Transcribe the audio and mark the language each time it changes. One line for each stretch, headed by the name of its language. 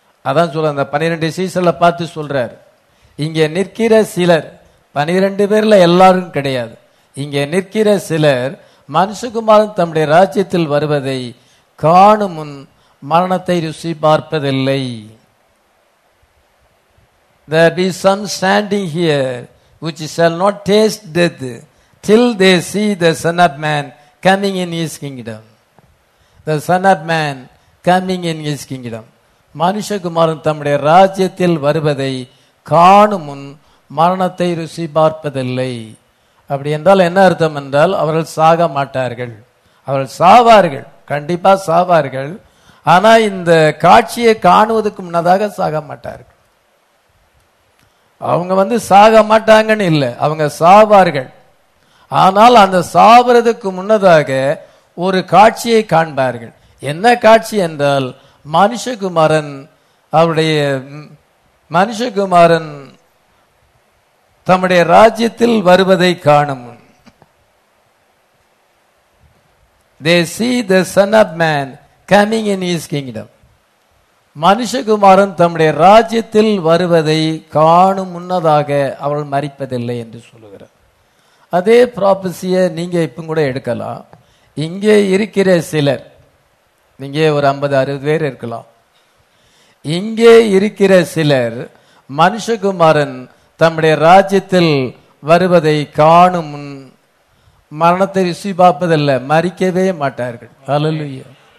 Tamil: அதான் சொல்ற அந்த 12 சீசர்களை பார்த்து சொல்றாரு. இங்க நிற்கிற சிலர், 12 பேர்ல எல்லாரும் கிடையாது, இங்க நிற்கிற சிலர் மனுஷகுமாரன் தம்முடைய ராஜ்யத்தில் வருவதை காணும் முன் மரணத்தை ருசி பார்ப்பதில்லை.
English: There be some standing here which shall not taste death till they see the Son of Man coming in His kingdom. The Son of Man coming in His kingdom.
Tamil: மனுஷகுமாரன் தம்முடைய ராஜ்யத்தில் வருவதை காணும் முன் மரணத்தை ருசி பார்ப்பதில்லை. அப்படி என்றால் என்ன அர்த்தம் என்றால் அவர்கள் சாக மாட்டார்கள். அவர்கள் சாவார்கள், கண்டிப்பாக சாவார்கள். ஆனால் இந்த காட்சியை காணுவதற்கு முன்னதாக சாக மாட்டார்கள். அவங்க வந்து சாக மாட்டாங்கன்னு இல்லை, அவங்க சாவார்கள். ஆனால் அந்த சாவறதுக்கு முன்னதாக ஒரு காட்சியை காண்பார்கள். என்ன காட்சி என்றால் மனுஷகுமாரன் அவருடைய மனுஷகுமாரன் தம்முடைய ராஜ்யத்தில் வருவதை காணும். They see the Son of Man coming in His kingdom. மனுஷகுமாரன் தம்முடைய ராஜ்யத்தில் வருவதை காணும் முன்னதாக அவள் மரிப்பதில்லை என்று சொல்லுகிறார். அதே ப்ராபசியை நீங்கள் இப்போ கூட எடுக்கலாம். இங்கே இருக்கிற சிலர், நீங்கள் ஒரு 50-60 பேர் இருக்கலாம், இங்கே இருக்கிற சிலர் மனுஷகுமாரன் தம்முடைய ராஜ்யத்தில் வருவதை காணும் முன் மரணத்தை ருசி பார்ப்பதில்லை, மரிக்கவே மாட்டார்கள். ஹல்லேலூயா.